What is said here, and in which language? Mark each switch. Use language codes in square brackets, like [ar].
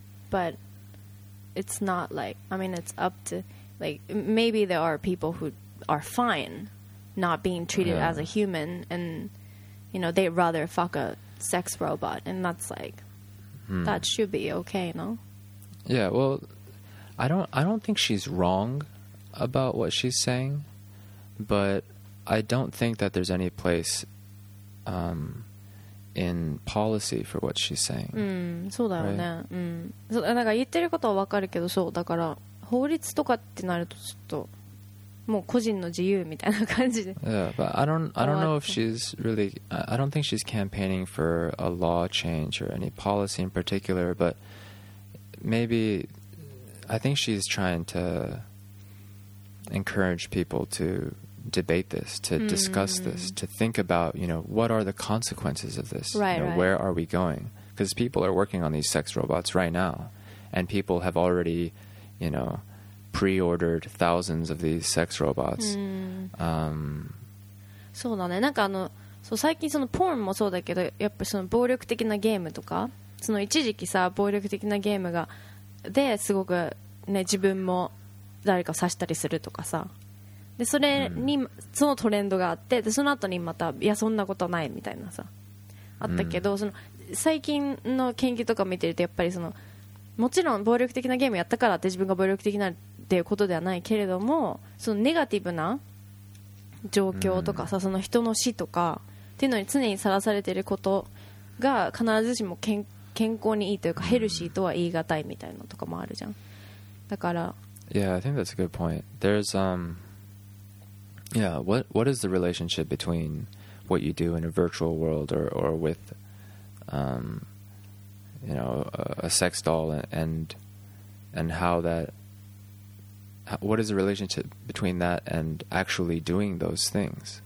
[en] But it's not like, I mean, it's up to, like, maybe there are people who are fine not being treated as a human, and, you know, they'd rather fuck a sex robot, and that's like, that should be okay, no? Yeah, well, I don't think she's wrong about what she's saying. But I don't think that there's any place in policy for what she's saying. [ja] そうだよね。Right? なんか言ってることは分かるけど、そうだから法律とかってなるとちょっともう個人の自由みたいな感じで。 [en] Yeah, but I don't know if she's really. I don't think she's campaigning for a law change or any policy in particular. But maybe I think she's trying to encourage people to debate this, to discuss this, to think about, you know, what are the consequences of this? Right, you know, right. Where are we going? Because people are working on these sex robots right now, and people have already, you know, pre-ordered thousands of these sex robots. [ja] そうだね。なんかあの、そう、最近そのポーンもそうだけど、やっぱその暴力的なゲームとか、その一時期さ、暴力的なゲームがですごくね、自分も誰かを刺したりするとかさ、でそれに、そのトレンドがあって、でその後にまた、いやそんなことないみたいなさあったけど、その最近の研究とか見てると、やっぱりそのもちろん暴力的なゲームやったからって自分が暴力的になるっていうことではないけれども、そのネガティブな状況とかさ、その人の死とかっていうのに常にさらされていることが必ずしも健康にいいというか、ヘルシーとは言い難いみたいなとかもあるじゃん。だから、 [en] Yeah, I think that's a good point. There's, what is the relationship between what you do in a virtual world or with, you know, a sex doll and how that, what is the relationship between that and actually doing those things?